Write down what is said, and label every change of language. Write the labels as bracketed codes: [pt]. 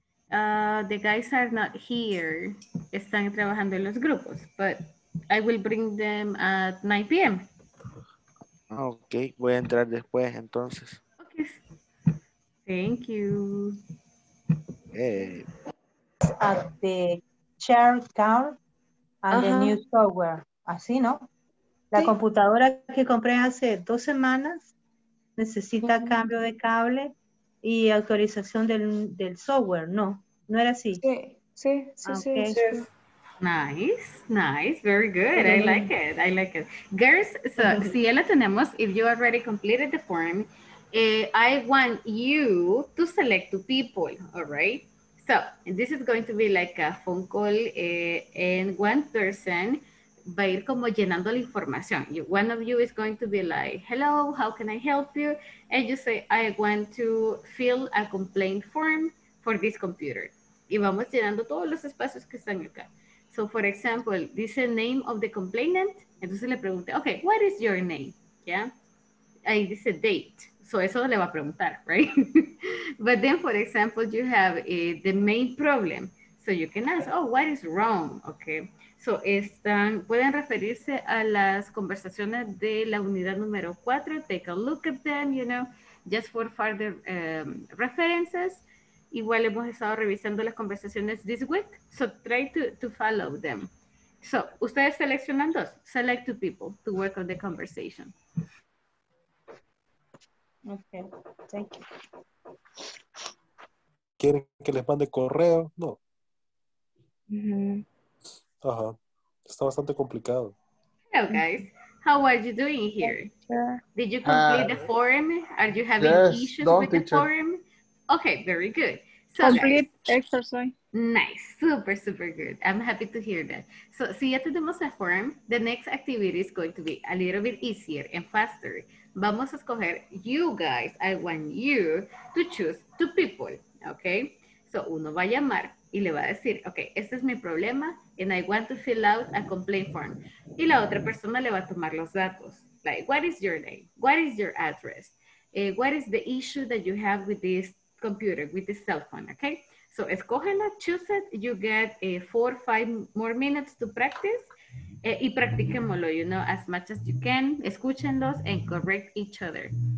[en] The guys are not here. Están trabajando en los grupos, but I will bring them at 9 p.m. [es] Okay. Voy a entrar después, entonces. [en] Okay. Thank you. Hey. At the chair count and the new software. [es] Así, ¿no? La computadora que compré hace 2 semanas necesita cambio de cable y autorización del software, ¿no? ¿No era así? Sí, Sí, sí, okay. Sí, sí. [en] Nice, nice, very good. I like it, I like it. Girls, so, si ya la tenemos, if you already completed the form, I want you to select two people, all right? So, this is going to be like a phone call and one person va a ir como llenando la información. One of you is going to be like, hello, how can I help you? And you say, I want to fill a complaint form for this computer. [es] Y vamos llenando todos los espacios que están acá. [en] So, for example, dice name of the complainant. Entonces le pregunté, okay, what is your name? Yeah. Ahí dice date. [es] So, eso le va a preguntar, right? [en] But then, for example, you have the main problem. So, you can ask, oh, what is wrong? Okay. [es] So, están, pueden referirse a las conversaciones de la unidad número 4. [en] Take a look at them, you know, just for further references. Igual hemos estado revisando las conversaciones this week, so try to follow them. So, ustedes seleccionan dos, select two people to work on the conversation. Okay, thank you. [es] ¿Quieren que les mande correo? No. Mm-hmm. Ajá, está bastante complicado. [en] Hello guys, how are you doing here? Did you complete the forum? Are you having issues with the forum? Okay, very good. So, complete exercise. Nice. Super, super good. I'm happy to hear that. So, si ya tenemos a form, the next activity is going to be a little bit easier and faster. Vamos a escoger you guys. I want you to choose two people. Okay? [es] So, uno va a llamar y le va a decir, okay, este es mi problema and I want to fill out a complaint form. Y la otra persona le va a tomar los datos. [en] Like, what is your name? What is your address? What is the issue that you have with this computer, with the cell phone, okay? So, escógela, choose it, you get 4 or 5 more minutes to practice, y practiquémoslo, you know, as much as you can, escúchenlos, and correct each other.